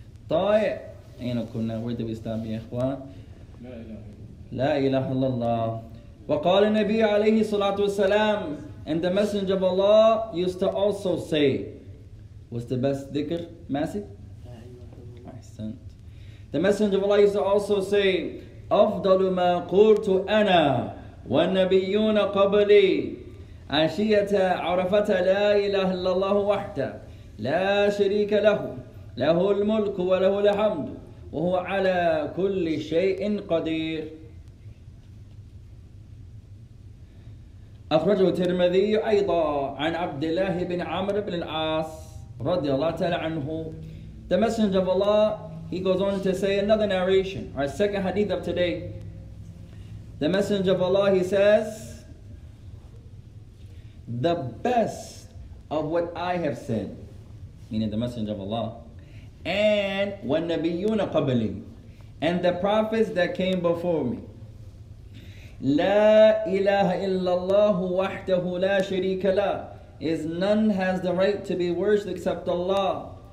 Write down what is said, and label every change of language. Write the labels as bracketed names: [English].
[English] Where did we stop, Ikhwan? [Arabic] La ilaha illallah. وقال النبي عليه الصلاة والسلام, [English] and the Messenger of Allah used to also say, what's the best dhikr, Masih? Ahsant. The Messenger of Allah used to also say, [Arabic] أفضل ما قلت أنا والنبيون قبلي عشية عرفة لا إله إلا الله وحده لا شريك له له الملك وله الحمد وهو على كل شيء قدير. أخرجه الترمذي أيضا عن عبد الله بن عمرو بن العاص رضي الله تعالى عنه. [English] The Messenger of Allah, he goes on to say another narration, our second hadith of today. The Messenger of Allah, he says, the best of what I have said, meaning the Messenger of Allah, and when [Arabic] نبيون قبلي, [English] and the prophets that came before me, [Arabic] لا إله إلا الله وحده لا شريك له, [English] is none has the right to be worshipped except Allah.